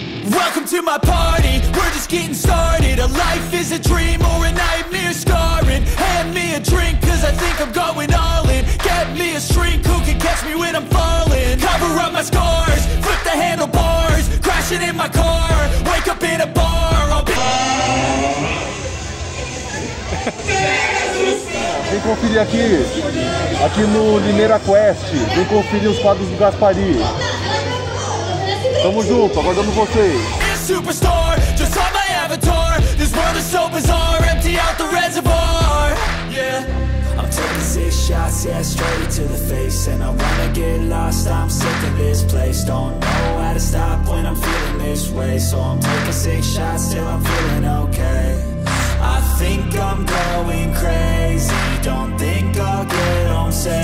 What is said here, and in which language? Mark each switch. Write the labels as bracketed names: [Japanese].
[English] Welcome to my party, we're just getting started. A life is a dream or a nightmare scarring. Hand me a drink cause I think I'm going all in. Get me a shrink who can catch me when I'm falling. Cover up my scars, flip the handlebars. Crashing in my car, wake up in a bar. I'll be... [Portuguese] Vem conferir aqui, aqui no Limeira Quest. Vem conferir os quadros do Gaspari. Tamo junto, aguardando vocês. [English] Superstar, just on my avatar. This world is so bizarre, empty out the reservoir. Yeah, I'm taking 6 shots, yeah, straight to the face. And I wanna get lost, I'm sick of this place. Don't know how to stop when I'm feeling this way. So I'm taking 6 shots, till I'm feeling okay. I think I'm going crazy, don't think I'll get on safe.